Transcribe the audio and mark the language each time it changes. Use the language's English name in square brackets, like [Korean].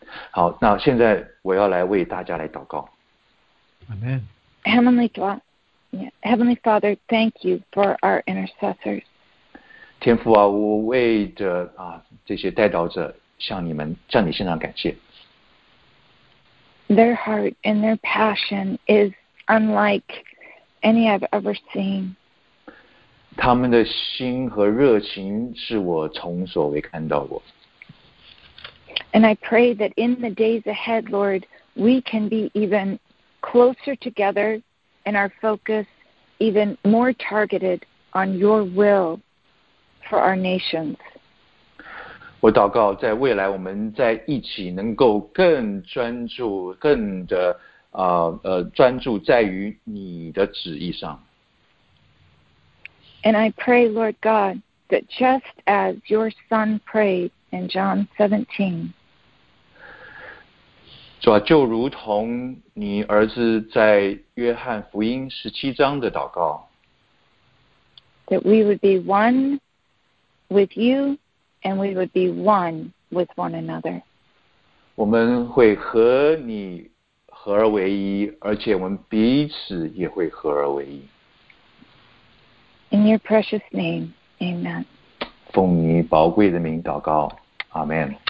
[Chinese] 好，那现在我要来为大家来祷告。 [English] Amen. Heavenly Father, thank you for our intercessors. [Chinese] 天父啊，我为着这些代祷者向你献上感谢。 [English] Their heart and their passion is unlike any I've ever seen. [Chinese] 他们的心和热情是我从所未看到过。 [English] And I pray that in the days ahead, Lord, we can be even closer together and our focus even more targeted on your will for our nations. [Chinese] 我祷告在未来我们在一起能够更专注，更的专注在于你的旨意上。 [English] And I pray, Lord God, that just as your son prayed in John 17. [Chinese] 主啊，就如同你儿子在约翰福音17章的祷告。 [English] That we would be one with you and we would be one with one another. [Chinese] 我们会和你合而为一，而且我们彼此也会合而为一。 [English] In your precious name, amen. [Chinese] 奉你宝贵的名祷告， Amen.